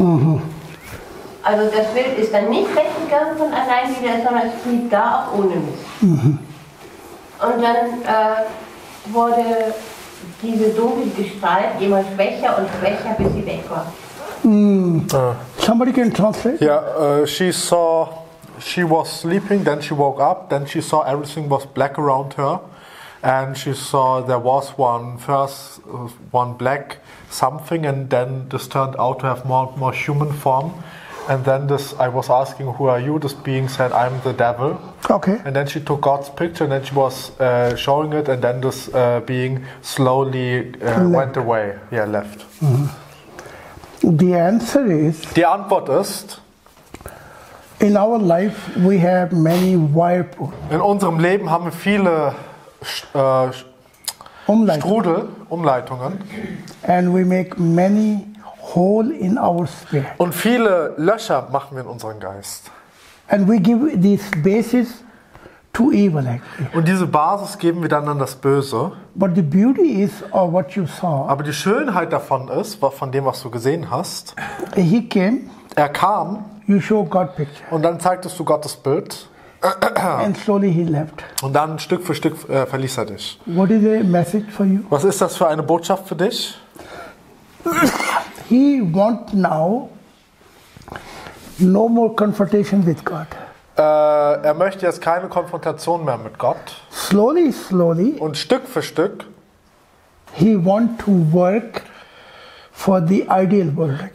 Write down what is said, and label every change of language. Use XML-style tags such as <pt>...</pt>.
<de>Mhm. Also das Bild ist dann nicht weggegangen von allein wieder, sondern es blieb da auch ohne mich. Mhm. Und dann wurde diese dunkle Gestalt immer schwächer und schwächer, bis sie weg war.</de> <en>Somebody can translate? Yeah, she saw, she was sleeping, then she woke up, then she saw everything was black around her, and she saw there was one, first one black something, and then this turned out to have more human form, And then this, I was asking, who are you? This being said, I'm the devil. Okay. And then she took God's picture and then she was showing it. And then this being slowly went away. Yeah, left. Mm-hmm. The answer is...</en> <de>The Antwort ist...</de> <en>In our life, we have many whirlpools.</en> <de>In unserem Leben haben wir viele Strudel, Umleitungen.</de> <en>And we make many hole in our spirit.</en> <de>Und viele Löcher machen wir in unserem Geist.</de> <en>And we give this basis to evil, actually.</en> <de>Und diese Basis geben wir dann an das Böse.</de> <en>But the beauty is of what you saw.</en> <de>Aber die Schönheit davon ist, von dem, was du gesehen hast.</de> <en>He came.</en> <de>Er kam.</de> <en>You show God picture.</en> <de>Und dann zeigtest du Gottes Bild.</de> <en>And slowly he left.</en> <de>Und dann Stück für Stück verließ er dich.</de> <en>What is the message for you?</en> <de>Was ist das für eine Botschaft für dich?</de> <en>He want now no more confrontation with God.</en> <de>Er möchte jetzt keine Konfrontation mehr mit Gott.</de> <en>Slowly, slowly.</en> <de>Und Stück für Stück.</de> <en>He want to work for the ideal world.</en>